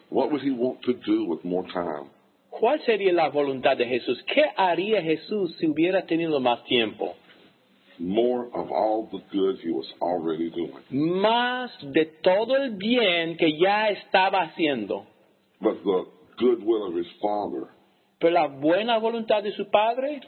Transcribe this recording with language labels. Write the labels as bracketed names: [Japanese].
[English] What would he want to do with more time? [Spanish] ¿Cuál sería la voluntad de Jesús? ¿Qué haría Jesús si hubiera tenido más tiempo? [English] More of all the good he was already doing. [Spanish] Más de todo el bien que ya estaba haciendo. [English] But the good will of his Father. [Spanish] Pero la buena voluntad de su Padre.